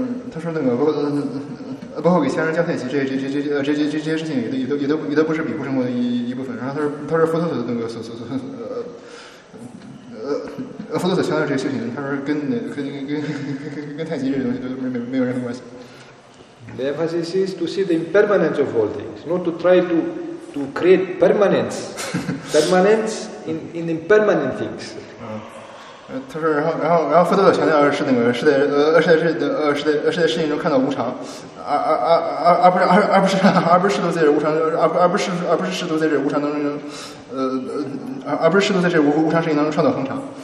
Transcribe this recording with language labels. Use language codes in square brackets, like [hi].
[zh] 他说那个包括给先生教太极这些事情也都不是比丘生活的一部分。然后他说佛陀的那个佛陀所强调这些修行，他说跟太极这些东西都没有任何关系。 [en] The emphasis is to see the impermanence of all things, not to try to create permanence. Permanence in impermanent things. [zh] 他说，然后佛陀所强调是那个是在是在事情中看到无常，而不是试图在这无常事情当中创造恒常。